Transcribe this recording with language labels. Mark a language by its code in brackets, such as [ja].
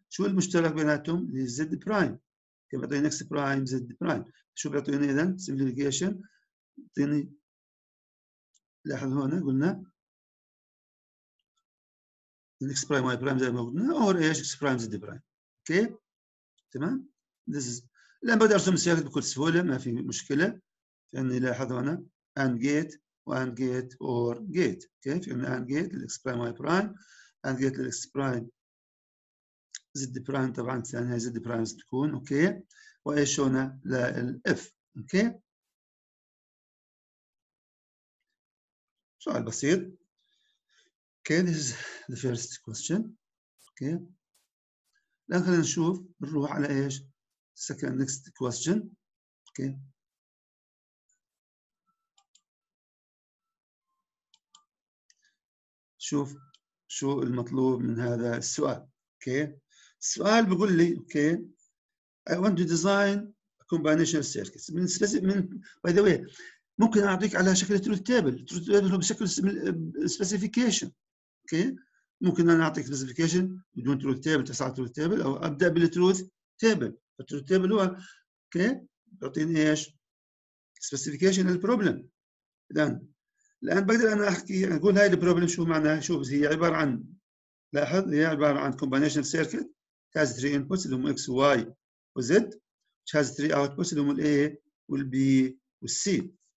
[ar] شو المشترك بيناتهم؟ الزد برايم. كيف يعطيني اكس برايم زد برايم؟ شو بيعطيني اذا؟ سمبليفيكيشن يعطيني لاحظ هون قلنا الاكس برايم واي برايم زي ما قلنا اور ايش؟ اكس برايم زد برايم. اوكي؟ تمام؟ [en] This is [ar] الآن بقدر أرسم السياقات بكل سهولة ما في مشكلة. فإني لاحظ هنا AND GATE وAND GATE OR GATE. اوكي؟ في عندنا AND GATE للإكس برايم واي برايم، AND GATE للإكس برايم زد برايم طبعا الثانية زد برايم تكون. اوكي؟ وإيش هنا؟ للإف. اوكي؟ سؤال بسيط. [en] Okay? This is the first question. [ar] اوكي؟ الآن خلينا نشوف نروح على إيش؟ [en] second next question. [ar] اوكي شوف شو المطلوب من هذا السؤال. [en] okay [ar] السؤال بيقول لي [en] Okay I want to design a combinational circuit. [ar] من specific من [en] by the way [ar] ممكن اعطيك على شكل truth table. truth table هو بشكل specification. اوكي ممكن انا اعطيك specification بدون truth table تسعة truth table او ابدا بالtruth table. التروث تيبل هو اوكي بيعطيني ايش؟ سبيسيفيكيشن للبروبلم. اذا الان بقدر انا احكي اقول هاي البروبلم شو معناها. شوف هي عباره عن لاحظ هي عباره عن كومبينيشنال سيركت هاز 3 انبوتس اللي هم اكس واي وزد هاز 3 اوتبوتس اللي هم الاي والبي والسي.